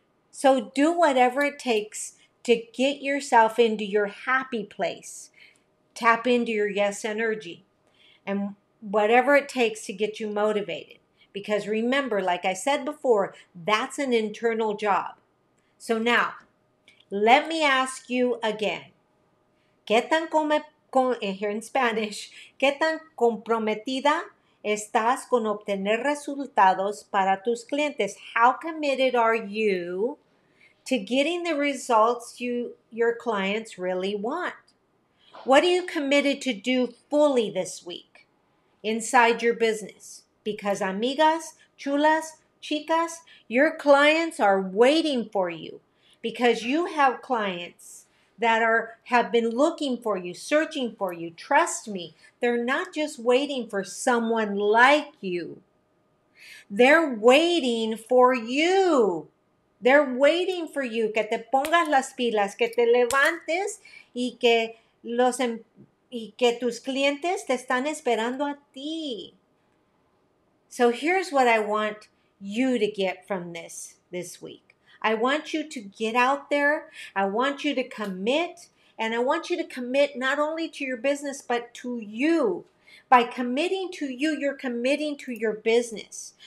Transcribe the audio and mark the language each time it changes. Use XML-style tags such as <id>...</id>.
<en>So do whatever it takes to get yourself into your happy place. Tap into your yes energy. And whatever it takes to get you motivated. Because remember, like I said before, that's an internal job. So now, let me ask you again.</en> <es>¿Qué tan</es> <en>here in Spanish,</en> <es>¿qué tan comprometida estás con obtener resultados para tus clientes?</es> <en>How committed are you to getting the results your clients really want? What are you committed to do fully this week inside your business? Because</en> <es>amigas, chulas, chicas,</es> <en>your clients are waiting for you because you have clients that are have been looking for you, searching for you. Trust me, they're not just waiting for someone like you. They're waiting for you. They're waiting for you.</en> <es>Que te pongas las pilas, que te levantes y que tus clientes te están esperando a ti.</es> <en>So here's what I want you to get from this week. I want you to get out there. I want you to commit. And I want you to commit not only to your business, but to you. By committing to you, you're committing to your business.</en>